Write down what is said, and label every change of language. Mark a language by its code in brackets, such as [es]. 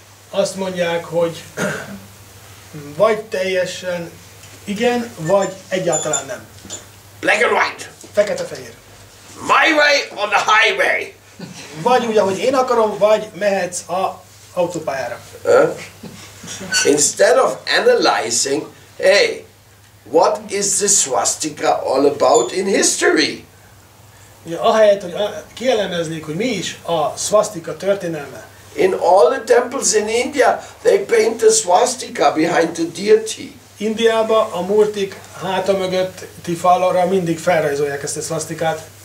[hu] Azt mondják, hogy vagy teljesen igen, vagy egyáltalán nem. [en] Black and white. [hu] Fekete-fehér. [en] My way or the highway. [hu] Vagy úgy, ahogy én akarom, vagy mehetsz a autópályára. [en] Instead of analyzing, hey, what is the swastika all about in history? [hu] Ahelyett, hogy kielemeznék, hogy mi is a swastika történelme. [en] In all the temples in India, they paint the swastika behind the deity. [hu] Indiában a murtik háta mögötti falra mindig felrajzolják ezt a swastikát.